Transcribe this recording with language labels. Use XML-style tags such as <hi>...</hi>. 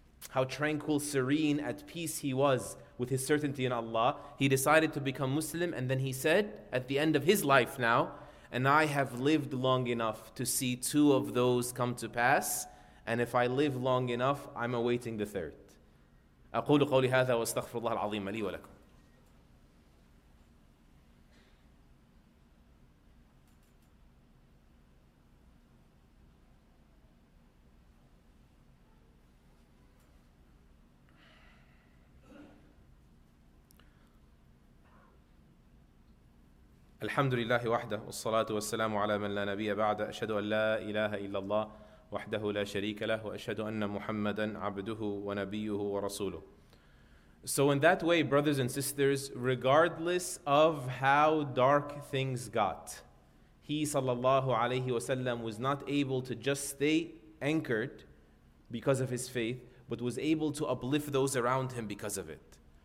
<en>How tranquil, serene, at peace he was with his certainty in Allah. He decided to become Muslim, and then he said, at the end of his life now, and I have lived long enough to see two of those come to pass, and if I live long enough, I'm awaiting the third.</en> <ar>أقول قولي هذا واستغفر الله العظيم لي ولكم. الحمد لله وحده والصلاة والسلام على من لا نبي بعد أشهد أن لا إله إلا الله وحده لا شريك له وأشهد أن محمدا عبده ونبيه ورسوله.</ar> <en>So in that way, brothers and sisters, regardless of how dark things got, he</en> <ar>صلى الله عليه وسلم</ar> <en>was not able to just stay anchored because of his faith, but was able to uplift those around him because of it.</en>